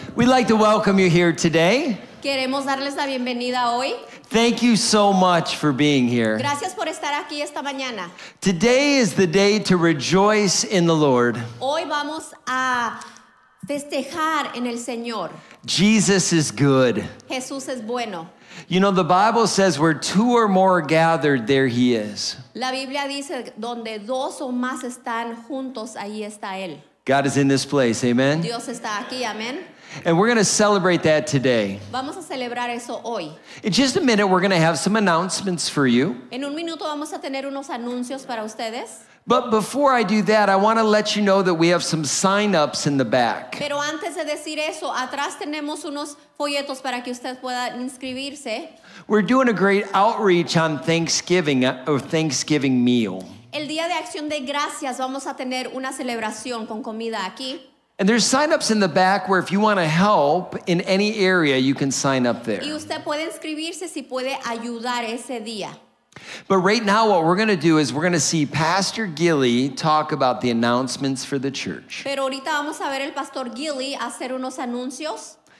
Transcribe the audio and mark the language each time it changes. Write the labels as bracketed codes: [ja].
[en] We'd like to welcome you here today. [es] Queremos darles la bienvenida hoy. [en] Thank you so much for being here. [es] Gracias por estar aquí esta mañana. [en] Today is the day to rejoice in the Lord. [es] Hoy vamos a festejar en el Señor. [en] Jesus is good. [es] Jesús es bueno. [en] You know, the Bible says where two or more gathered, there he is. [es] La Biblia dice donde dos o más están juntos, ahí está él. [en] God is in this place, amen? [es] Dios está aquí, amen. [en] And we're going to celebrate that today. [es] Vamos a celebrar eso hoy. [en] In just a minute, we're going to have some announcements for you. [es] En un minuto vamos a tener unos anuncios para ustedes. [en] But before I do that, I want to let you know that we have some sign-ups in the back. [es] Pero antes de decir eso, atrás tenemos unos folletos para que usted pueda inscribirse. [en] We're doing a great outreach on Thanksgiving, or Thanksgiving meal. [es] El Día de Acción de Gracias vamos a tener una celebración con comida aquí. [en] And there's sign-ups in the back where if you want to help in any area, you can sign up there. [es] Y usted puede inscribirse si puede ayudar ese día. [en] But right now what we're going to do is we're going to see Pastor Gilly talk about the announcements for the church. [es] Pero ahorita vamos a ver el Pastor Gilly hacer unos anuncios.